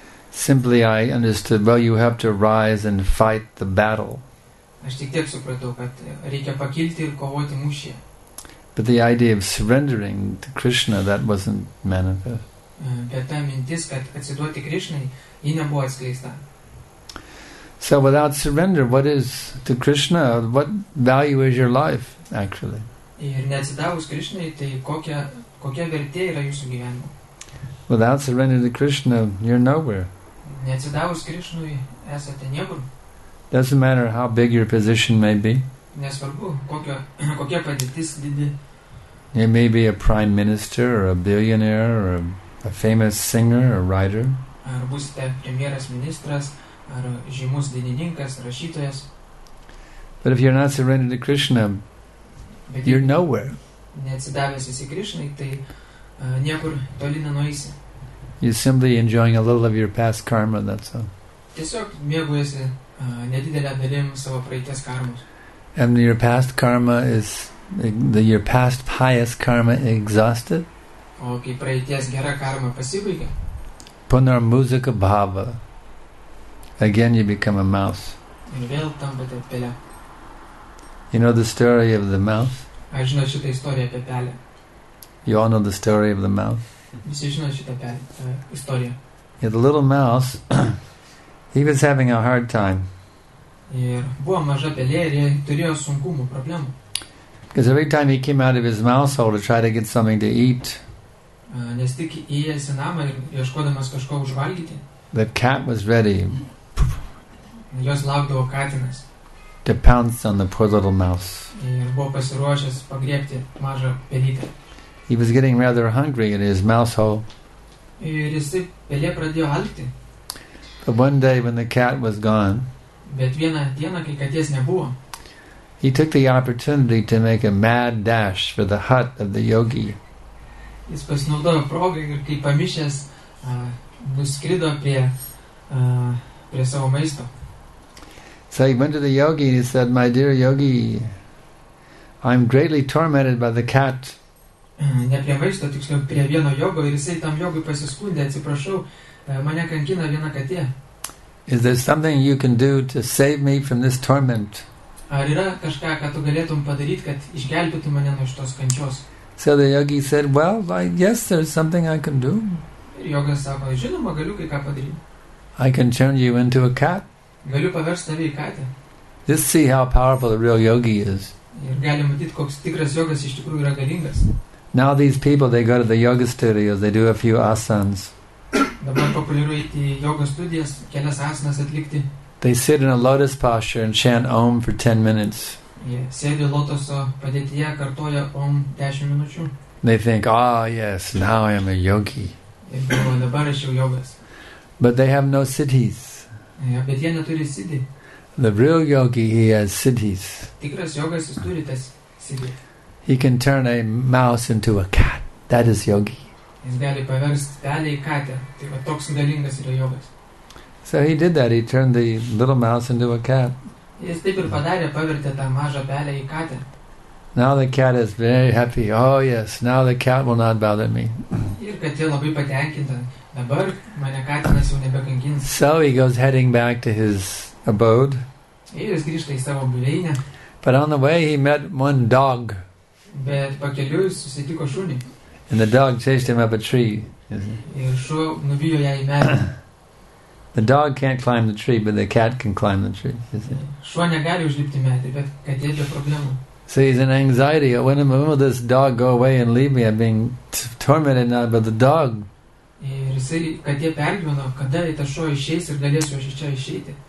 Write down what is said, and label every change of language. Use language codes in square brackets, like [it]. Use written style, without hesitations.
[en] Simply I understood, well, you have to rise and fight the battle. But the idea of surrendering to Krishna, that wasn't manifest. [lt] Bet ta mintis, kad atsiduoti Krishnai, ji nebuvo atskleista. [en] So without surrender, what is to Krishna, what value is your life, actually? [lt] Ir neatsidavus Krishnai, tai kokia vertė yra jūsų gyvenimo? [en] Without surrender to Krishna, you're nowhere. [lt] Neatsidavus Krishnai, esate niekur. [en] Doesn't matter how big your position may be. [lt] Nesvarbu, kokia padėtis didi. [en] You may be a prime minister, or a billionaire, or a famous singer or writer. [lt] Ar būsite premjeras, ministras, ar žymus dainininkas, rašytojas. [en] But if you're not surrendered to Krishna, you're nowhere. [lt] Neatsidavęs esi Krishnai, tai niekur toli nenueisi. [en] You're simply enjoying a little of your past karma, that's all. [lt] Tiesiog mėgaujasi nedidelę dalim savo praeities karmos. [en] And your past karma is, your past pious karma exhausted? [lt] O kai praeities gera karma pasibaigia. [sa] Punar muzika bhava. [en] Again you become a mouse. [lt] Ir vėl tampate pelė. [en] You know the story of the mouse? [lt] Aš žinau šitą istoriją apie pelę. [en] You all know the story of the mouse? [lt] Visi žino šitą pelę, istoriją. [en] Yeah, the little mouse, he was having a hard time. [lt] Ir buvo maža pelė ir jie turėjo sunkumų, problemų. [en] Because every time he came out of his mouse hole to try to get something to eat, [lt] nes tik įėjęs į namą ir ieškodamas kažko užvalgyti. [en] The cat was ready. [lt] Jos laukdavo katinas. [en] To pounce on the poor little mouse. [lt] Ir buvo pasiruošęs pagriebti mažą pelytę. [en] He was getting rather hungry in his mouse hole. [lt] Ir jisai pelė pradėjo alkti. [en] But one day when the cat was gone, [lt] bet vieną dieną, kai katės nebuvo, [en] he took the opportunity to make a mad dash for the hut of the yogi. [lt] Jis pasinaudojo progą ir kaip pamišęs nuskrido prie savo maisto. [en] So he went to the yogi and he said, "My dear yogi, I'm greatly tormented by the cat." [lt] Ne prie maisto, tiksliau prie vieno jogo, ir jisai tam jogui pasiskundė, atsiprašau, mane kankina viena katė. [en] Is there something you can do to save me from this torment? [lt] Ar yra kažką, ką tu galėtum padaryti, kad išgelbėtų mane nuo šitos kančios? [en] So the yogi said, "Well, yes, there's something I can do." [lt] Ir jogas sako, žinoma, galiu kai ką padaryti. [en] I can turn you into a cat. [lt] Galiu paversti tave į katę. [en] Just see how powerful the real yogi is. [lt] Ir galim matyti, koks tikras jogas iš tikrųjų yra galingas. [en] Now these people, they go to the yoga studios, they do a few asanas. [lt] Dabar populiaru eiti į jogos studijas, kelias asanas atlikti. [en] They sit in a lotus posture and chant Om for 10 minutes. [lt] Sėdi lotoso padėtyje, kartoja Om 10 minučių. [en] They think, "Ah, yes, now I am a yogi." [lt] Dabar aš jau jogas. [en] But they have no siddhis. [lt] Bet jie neturi siddhi. [en] The real yogi, he has siddhis. [lt] Tikras jogas, jis turi tas siddhi. [en] He can turn a mouse into a cat. That is yogi. [lt] Jis gali paversti pelę į katę. Tai va, toks galingas yra jogas. [en] So he did that. He turned the little mouse into a cat. [lt] Jis taip ir padarė, pavertė tą mažą pelę į katę. [en] Now the cat is very happy. Oh yes, now the cat will not bother me. [lt] Ir katė labai patenkinta. Dabar mane katinas jau nebekankins. [en] So he goes heading back to his abode. [lt] Ir jis grįžta į savo buveinę. [en] But on the way he met one dog. [lt] Bet pakeliui susitiko šunį. [en] And the dog chased him up a tree. [lt] Ir šuo nubijo ją į medį. [en] The dog can't climb the tree, but the cat can climb the tree. [lt] Šuo negali užlipti medį, bet katė be problemų. [en] So he's in anxiety. When will this dog go away and leave me? I'm being tormented now by the dog. [lt] Ir jisai katė pergyveno, kada tas šuo išeis ir galėsiu aš iš čia išeiti.